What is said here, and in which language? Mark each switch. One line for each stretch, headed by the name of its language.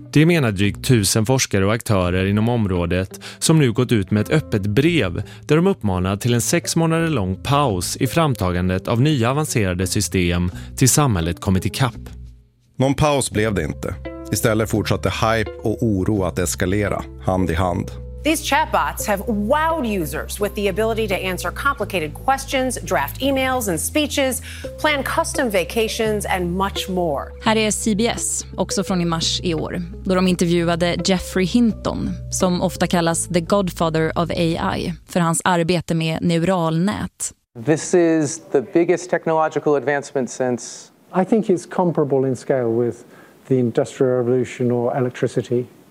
Swedish: Det menar drygt 1000 forskare och aktörer inom området som nu gått ut med ett öppet brev där de uppmanar till en 6 månader lång paus i framtagandet av nya avancerade system tills samhället kommit i kapp. Någon paus blev det inte. Istället fortsatte hype och oro att eskalera hand i hand.
English: These chatbots have wowed users with the ability to answer complicated questions, draft emails and speeches, plan custom vacations and much more.
Swedish: Här är CBS, också från i mars i år, då de intervjuade Jeffrey Hinton, som ofta kallas
English: the godfather of AI,
Swedish: för hans arbete med neuralnät.
English: This is the biggest technological advancement since... I think it's comparable in scale with the industrial revolution or electricity.